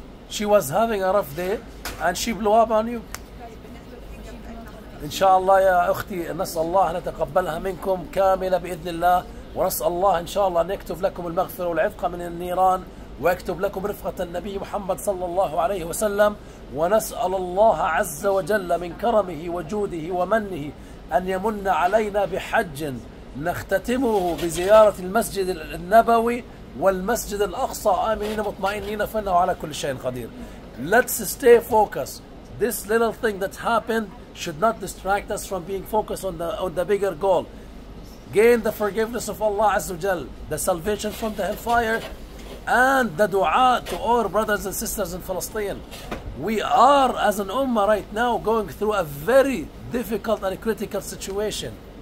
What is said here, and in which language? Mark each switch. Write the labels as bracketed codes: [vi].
[en] She was having a rough day and she blew up on you. [ar] إن شاء الله يا أختي نسأل الله أن نتقبلها منكم كاملة بإذن الله ونسأل الله إن شاء الله أن يكتب لكم المغفرة والعفقة من النيران ويكتب لكم رفقة النبي محمد صلى الله عليه وسلم ونسأل الله عز وجل من كرمه وجوده ومنه أن يمن علينا بحج نختتمه بزيارة المسجد النبوي والمسجد الأقصى آمنين مطمئنين فإنه على كل شيء قدير. [en] Let's stay focused. This little thing that happened should not distract us from being focused on the bigger goal. Gain the forgiveness of Allah عز وجل, the salvation from the hellfire, and the dua to our brothers and sisters in Palestine. We are, as an ummah right now, going through a very difficult and critical situation.